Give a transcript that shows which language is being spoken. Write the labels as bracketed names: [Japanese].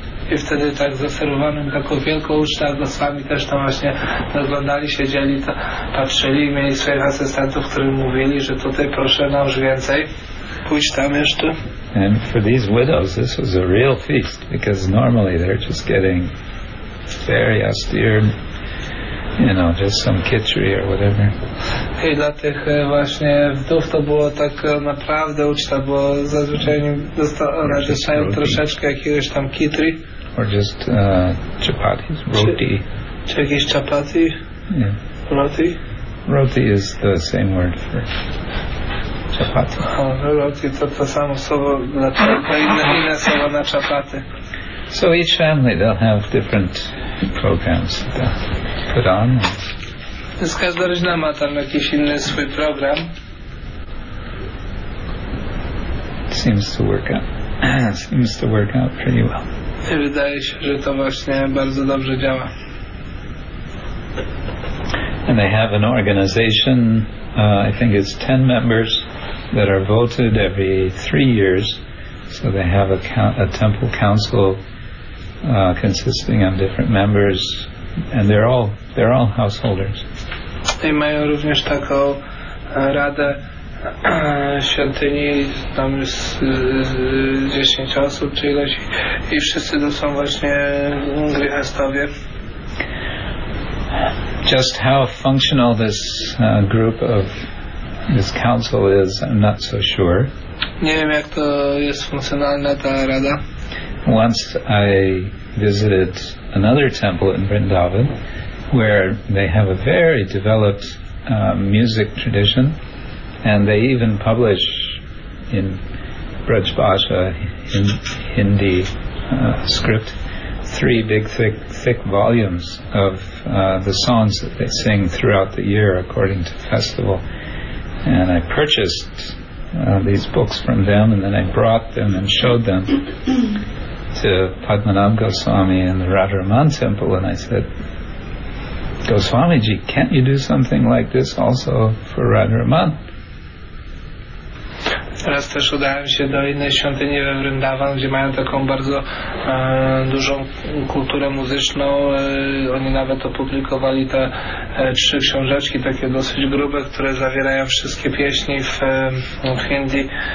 [Polish] I wtedy tak zaserowanym, taką wielką ucztę, z wami też tam właśnie oglądali, siedzieli, to patrzyli, mieli swoich asystentów, którzy mówili, że tutaj proszę nam już więcej, pójść tam jeszcze. [English] And for these widows, this was a real feast, because normally they're just getting very austere, just some kichri or whatever. [Polish] I dla tych właśnie wdów to było tak naprawdę uczta, bo zazwyczaj dostają troszeczkę jakiegoś tam kitri. [English] Or just chapatis, roti. [Polish] Czy jakieś chapati? [English] Yeah. Roti? Roti is the same word for chapati. [Polish] Roti to to samo słowo, inne słowo na chapaty. [English] So each family, they'll have different programs that put on. [Polish] Więc każda rodzina ma tam jakiś inny swój program. [English] Seems to work out pretty well. [Polish] Wydaje się, że to właśnie bardzo dobrze działa. [English] And they have an organization, I think it's 10 members that are voted every 3 years. So they have a temple council consisting of different members, and they're all householders. [Polish] I mają również taką radę świątyni, tam jest 10 osób czy ileś, i wszyscy to są właśnie grihastowie. [English] Just how functional this group of this council is, I'm not so sure. [Polish] Nie wiem, jak to jest funkcjonalna ta rada. [English] Once I visited another temple in Vrindavan where they have a very developed music tradition, and they even publish in Braj Bhasha, in Hindi script, 3 big thick volumes of the songs that they sing throughout the year according to festival. And I purchased these books from them, and then I brought them and showed them to Padmanabh Goswami in the Radharaman temple, and I said, Goswamiji, can't you do something like this also for Radharaman? [Polish] Teraz też udałem się do innej świątyni we Vrindavan, gdzie mają taką bardzo dużą kulturę muzyczną. Oni nawet opublikowali te 3 książeczki, takie dosyć grube, które zawierają wszystkie pieśni w Hindi.